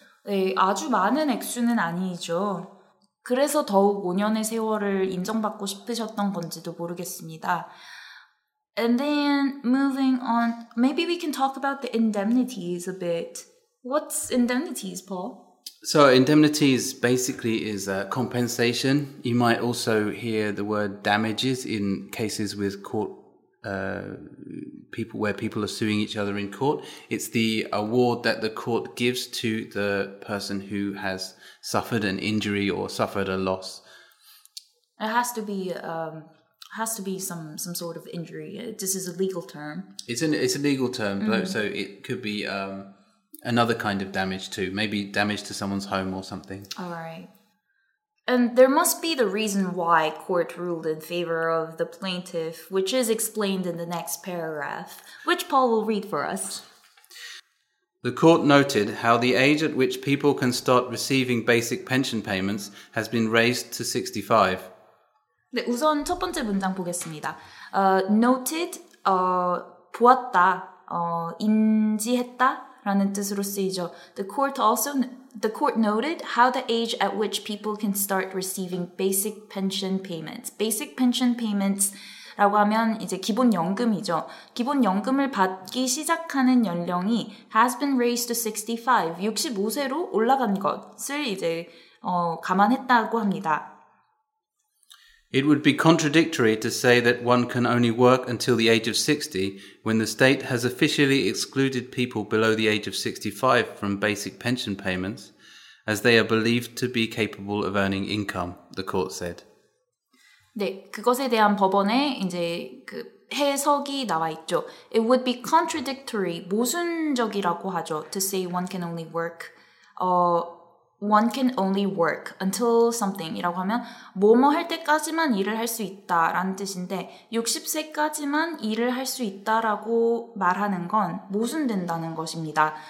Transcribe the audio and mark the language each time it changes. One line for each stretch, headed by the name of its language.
Korean: 네, 아주 많은 액수는 아니죠. 그래서 더욱 5년의 세월을 인정받고 싶으셨던 건지도 모르겠습니다.
English: And then moving on, maybe we can talk about the indemnities a bit. What's indemnities, Paul? So indemnities basically is a compensation. You might also hear the word damages in cases with court people where people are suing each other in court. It's the award that the court gives to the person who has suffered an injury or suffered a loss. It has to be some sort of injury. This is a legal term. It's a legal term, mm-hmm. so it could be another kind of damage too. Maybe damage to someone's home or something. All right. And there must be the reason why court ruled in favor of the plaintiff, which is explained in the next paragraph, which Paul will read for us. The court noted how the age at which people can start receiving basic pension payments has been raised to 65.
Korean: 네, 우선 첫 번째 문장 보겠습니다. Noted, 보았다, 인지했다. 라는 뜻으로 쓰이죠.
English: The court noted how the age at which people can start receiving basic pension payments. Basic pension payments
Korean: 라고 하면 이제 기본 연금이죠. 기본 연금을 받기 시작하는 연령이
English: has been raised to 65,
Korean: 65세로 올라간 것을 이제 감안했다고 합니다.
English: It would be contradictory to say that one can only work until the age of 60 when the state has officially excluded people below the age of 65 from basic pension payments as they are believed to be capable of earning income, the court said.
Korean: 네, 그것에 대한 법원의 이제 그 해석이 나와 있죠.
English: It would be contradictory,
Korean: 모순적이라고 하죠.
English: To say one can only work One can only work until something
Korean: 이라고 하면 뭐뭐 할 때까지만 일을 할 수 있다라는 뜻인데 60세까지만 일을 할 수 있다라고 말하는 건 모순된다는 것입니다.